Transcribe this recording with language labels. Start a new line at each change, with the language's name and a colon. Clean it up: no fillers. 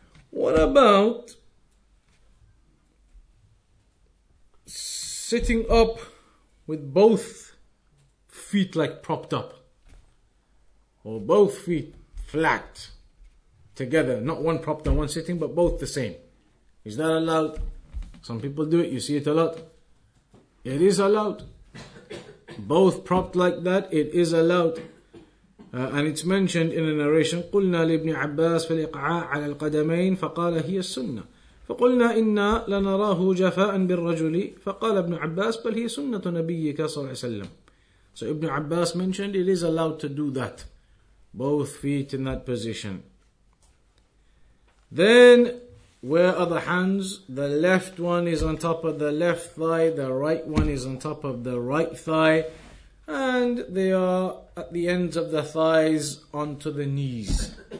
English: What about sitting up with both feet like propped up, or both feet flat together, not one propped and one sitting, but both the same? Is that allowed? Some people do it, you see it a lot. It is allowed. Both propped like that, it is allowed. And it's mentioned in a narration,
Arabic: قُلْنَا لِبْنِ عَبَّاسِ فَالْإِقْعَاءَ عَلَى الْقَدَمَيْنِ فَقَالَ هِيَ السُّنَّةِ فَقُلْنَا إِنَّا لَنَرَاهُ جَفَاءً بِالرَّجُلِ فَقَالَ ابْنُ عَبَّاسِ بَلْ هِيَ سُنَّةُ نَبِيِّكَ صَلَّى اللَّهُ عَلَيْهِ وَسَلَّمَ.
English: So Ibn Abbas mentioned, it is allowed to do that. Both feet in that position. Then, where are the hands? The left one is on top of the left thigh, the right one is on top of the right thigh, and they are at the ends of the thighs onto the knees.